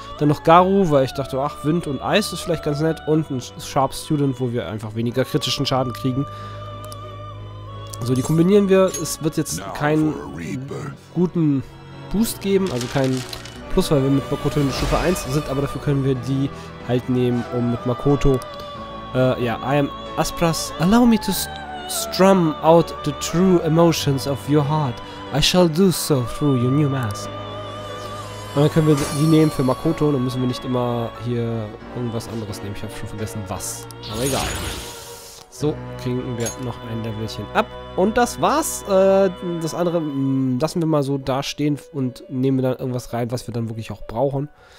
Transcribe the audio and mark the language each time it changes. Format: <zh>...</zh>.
<de>Dann noch Garu, weil ich dachte, ach, Wind und Eis ist vielleicht ganz nett. Und ein Sharp Student, wo wir einfach weniger kritischen Schaden kriegen. So, die kombinieren wir. Es wird jetzt keinen guten Boost geben, also keinen Plus, weil wir mit Makoto in der Stufe 1 sind, aber dafür können wir die halt nehmen, um mit Makoto I am Aspras.</de> <en>Allow me to strum out the true emotions of your heart. I shall do so through your new mask.</en> <de>Und dann können wir die nehmen für Makoto. Dann müssen wir nicht immer hier irgendwas anderes nehmen. Ich habe schon vergessen, was. Aber egal. So, kriegen wir noch ein Levelchen ab. Und das war's. Das andere lassen wir mal so da stehen und nehmen dann irgendwas rein, was wir dann wirklich auch brauchen.</de>